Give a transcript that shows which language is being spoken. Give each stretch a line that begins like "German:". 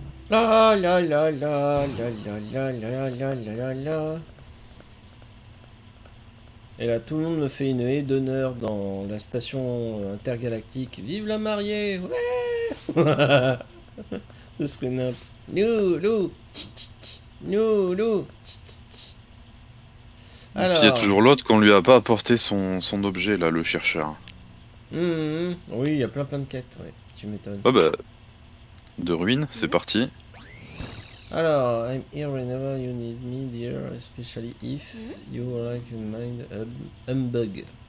French: La la la la la la la la la la la. Et là, tout le monde me fait une haie d'honneur dans la station intergalactique. Vive la mariée! Ouais! Ce serait n'importe. Nous, loup! Nous, loup! Et puis il y a Alors. toujours l'autre qu'on lui a pas apporté son objet là, le chercheur. Oui, il y a plein de quêtes, ouais. Tu m'étonnes. Oh bah, de ruines, c'est parti.
English: Alors, I'm here whenever you need me, dear, especially if you like mind humbug.